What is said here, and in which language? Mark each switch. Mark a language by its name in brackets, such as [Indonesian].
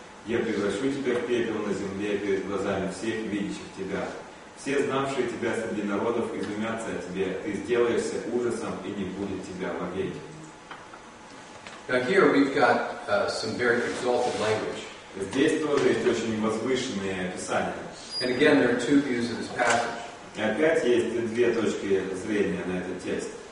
[Russian] Я превращу тебя в пепел на земле перед глазами всех видящих тебя. Все знавшие тебя среди народов изумятся о тебе, ты сделаешься ужасом, и не будет тебя вовеки. [English] Now here we've got some very exalted language. [Russian] Здесь тоже есть очень возвышенные описания. [English] And again, there are two views of this passage. [Russian] И опять есть две точки зрения на этот текст.